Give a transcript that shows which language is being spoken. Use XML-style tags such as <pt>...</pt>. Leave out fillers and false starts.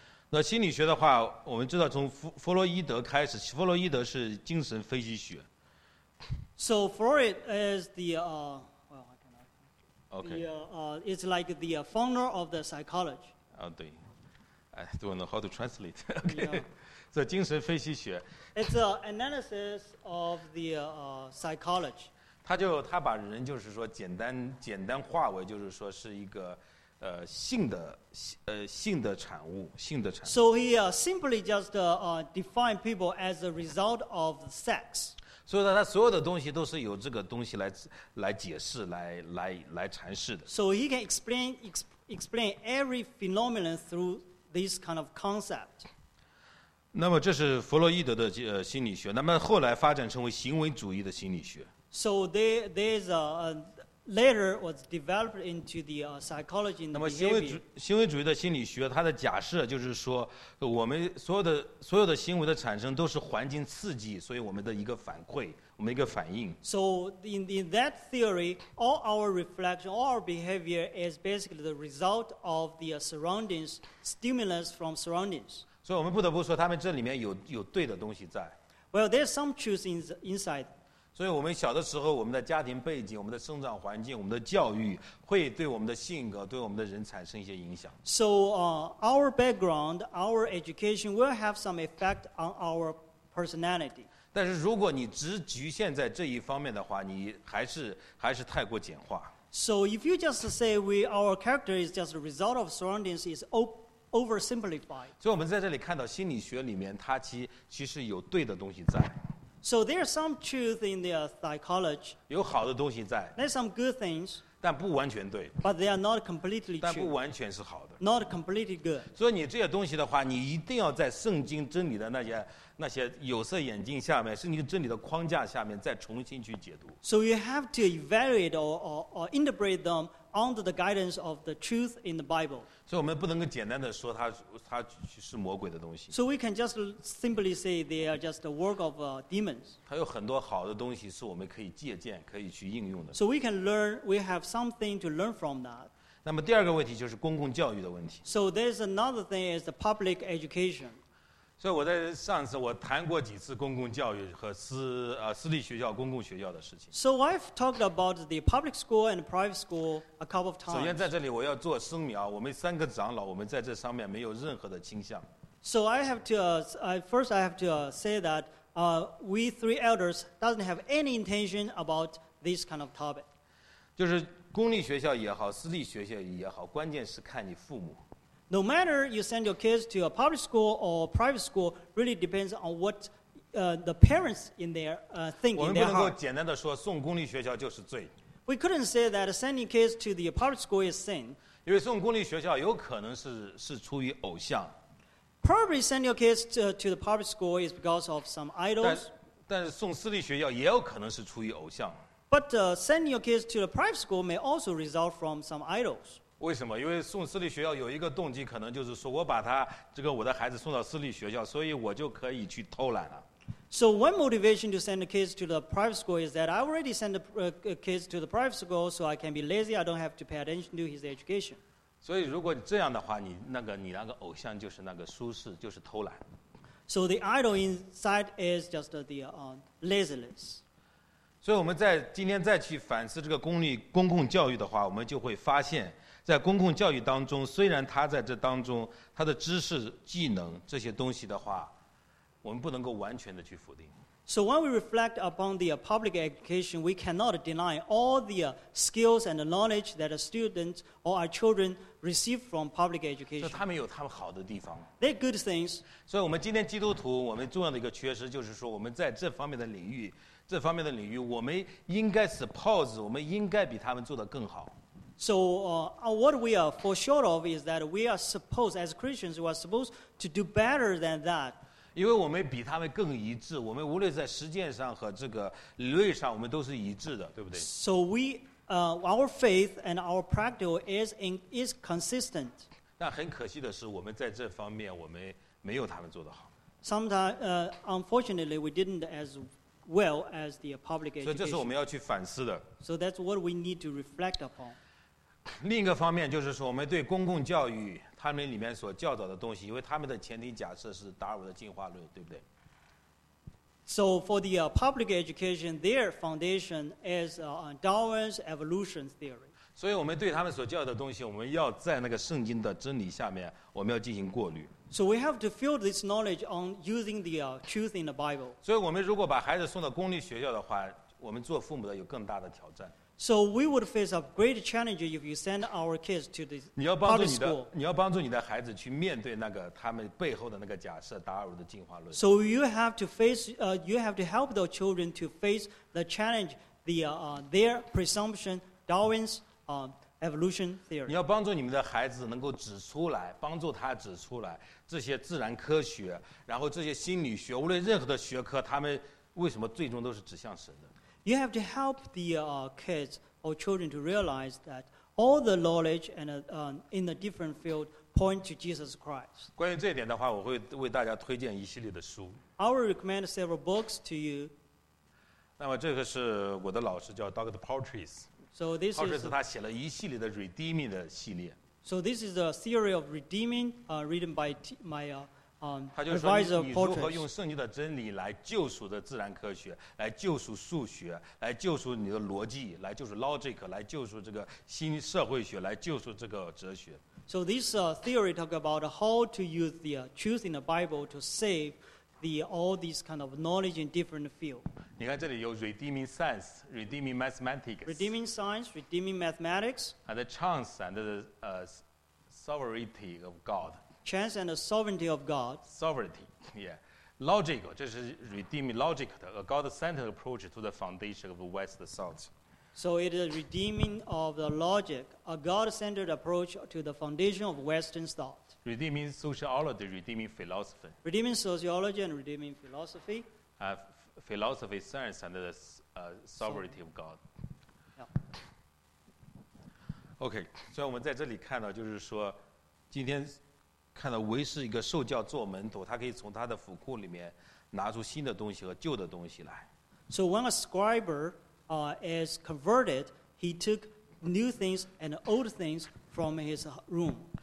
<zh>那心理学的话，我们知道从弗洛伊德开始，弗洛伊德是精神分析学。</zh> <en>So Freud is the it's like the founder of the psychology.</en> <zh>啊对。</zh> <en>I don't know how to translate. Okay. Yeah.</en> <zh>精神分析学。</zh> <en>It's an analysis of the psychology.</en> <zh>他把人就是说简单化为就是说是一个性的产物，性的产物。</zh> <en>So he simply just define people as a result of sex.</en> <zh>所以他所有的东西都是由这个东西来解释，来阐释的。</zh> <en>So he can explain every phenomenon through. This kind of concept.</en> <zh>那么这是弗洛伊德的心理学。那么后来发展成为行为主义的心理学。</zh> <en>So there's a later was developed into the psychology and behavior.</en> <zh>那么行为主义的心理学，它的假设就是说，我们所有的行为的产生都是环境刺激，所以我们的一个反馈，我们一个反应。</zh> <en>So in that theory, all our reflection, all our behavior is basically the result of the surroundings, stimulus from surroundings.</en> <zh>所以我们不得不说，他们这里面有对的东西在。</zh> <en>Well, there's some truth inside.</en> <zh>所以我们小的时候，我们的家庭背景、我们的生长环境、我们的教育，会对我们的性格、对我们的人产生一些影响。</zh> <en>So, our background, our education will have some effect on our personality.</en> <zh>但是如果你只局限在这一方面的话，你还是太过简化。</zh> <en>So, if you just say our character is just a result of surroundings, is oversimplified.</en> <zh>所以我们在这里看到心理学里面，它其实有对的东西在。</zh> <en>So there's some truth in the psychology.</en> <zh>有好的东西在。</zh> <en>There's some good things.</en> <zh>但不完全对。</zh> <en>But they are not completely true.</en> <zh>但不完全是好的。</zh> <en>Not completely good.</en> <zh>所以你这些东西的话，你一定要在圣经真理的那些有色眼镜下面，圣经真理的框架下面再重新去解读。</zh> <en>So you have to evaluate or interpret them under the guidance of the truth in the Bible.</en> <zh>所以我们不能够简单的说它是魔鬼的东西。</zh> <en>So we can just simply say they are just the work of demons.</en> <zh>它有很多好的东西是我们可以借鉴，可以去应用的。</zh> <en>So we can learn, we have something to learn from that.</en> <zh>那么第二个问题就是公共教育的问题。</zh> <en>So there's another thing is the public education.</en> <zh>所以我在上次我谈过几次公共教育和私立学校、公共学校的事情。</zh> <en>So I've talked about the public school and private school a couple of times.</en> <zh>首先在这里我要做声明，我们三个长老，我们在这上面没有任何的倾向。</zh> <en>So I have to, first I have to say that we three elders doesn't have any intention about this kind of topic.</en> <zh>就是公立学校也好，私立学校也好，关键是看你父母。</zh> <en>No matter you send your kids to a public school or private school, really depends on what the parents in there think in their heart.</en> <zh>我们不能够简单的说送公立学校就是罪。</zh> <en>We couldn't say that sending kids to the public school is sin.</en> <zh>因为送公立学校有可能是出于偶像。</zh> <en>Probably send your kids to the public school is because of some idols.</en> <zh>但是送私立学校也有可能是出于偶像。</zh> <en>But sending your kids to the private school may also result from some idols.</en> <zh>为什么？因为送私立学校有一个动机，可能就是说我把他这个我的孩子送到私立学校，所以我就可以去偷懒了。</zh> <en>So one motivation to send the kids to the private school is that I already sent the kids to the private school, so I can be lazy. I don't have to pay attention to his education.</en> <zh>所以如果这样的话，你那个偶像就是那个舒适，就是偷懒。</zh> <en>So the idol inside is just the laziness.</en> <zh>所以我们在今天再去反思这个公共教育的话，我们就会发现。在公共教育当中，虽然他在这当中他的知识技能这些东西的话，我们不能够完全的去否定。</zh> <en>So when we reflect upon the public education, we cannot deny all the skills and the knowledge that a student or our children receive from public education.</en> <zh>他们有他们好的地方。</zh> <en>They're good things.</en> <zh>所以我们今天基督徒我们重要的一个缺失就是说我们在这方面的领域我们应该 suppose 我们应该比他们做得更好。</zh> <en>So what we are for short of is that we are supposed, as Christians, we are supposed to do better than that.</en> <zh>因为我们比他们更一致，我们无论在实践上和这个理论上，我们都是一致的，对不对</zh> <en>？So we, our faith and our practice is consistent.</en> <zh>但很可惜的是，我们在这方面我们没有他们做得好。</zh> <en>Sometimes, unfortunately, we didn't as well as the public education.</en> <zh>所以这是我们要去反思的。</zh> <en>So that's what we need to reflect upon.</en> <zh>另一个方面就是说，我们对公共教育他们里面所教导的东西，因为他们的前提假设是达尔文的进化论，对不对？</zh> <en>So for the public education, their foundation is Darwin's evolution theory.</en> <zh>所以我们对他们所教的东西，我们要在那个圣经的真理下面，我们要进行过滤。</zh> <en>So we have to fill this knowledge on using the truth in the Bible.</en> <zh>所以我们如果把孩子送到公立学校的话，我们做父母的有更大的挑战。</zh> <en>So we would face a great challenge if you send our kids to the public school.</en> <zh>你要帮助你的孩子去面对那个他们背后的那个假设——达尔文的进化论。</zh> <en>So you have to face, you have to help those children to face the challenge, the their presumption, Darwin's evolution theory.</en> <zh>你要帮助你们的孩子能够指出来，帮助他指出来这些自然科学，然后这些心理学，无论任何的学科，他们为什么最终都是指向神的？</zh> <en>You have to help the kids or children to realize that all the knowledge and in the different field point to Jesus Christ.</en> <zh>关于这一点的话，我会为大家推荐一系列的书。</zh> <en>I will recommend several books to you.</en> <zh>那么这个是我的老师叫 Dr.</zh> <en>Paltries. So this</en> <zh>Paltries 他写了一系列的 Redeeming 的系列。</zh> <en>So this is a theory of Redeeming, written by my.</en> <zh>他就说你如何用圣经的真理来救赎的自然科学，来救赎数学，来救赎你的逻辑，来救赎 logic， 来救赎这个新社会学，来救赎这个哲学。</zh> <en>So this theory talk about how to use the truth in the Bible to save the all these kind of knowledge in different field.</en> <zh>你看这里有</zh> <en>redeeming science, redeeming mathematics, redeeming science, redeeming mathematics, and the chance and the sovereignty of God. Chance and the sovereignty of God. Sovereignty, yeah. Logical,</en> <zh>这是</zh> <en>redeeming logic, a God-centered approach to the foundation of the West and South. So it is a redeeming of the logic, a God-centered approach to the foundation of Western thought. Redeeming sociology, redeeming philosophy. Redeeming sociology and redeeming philosophy. Philosophy, science, and the sovereignty of God. Yeah.</en> <zh>Okay, 所以我们在这里看到就是说今天看到维是一个受教做门徒，他可以从他的府库里面拿出新的东西和旧的东西来。</zh> <en>So when a scribe is converted, he took new things and old things from his room.</en>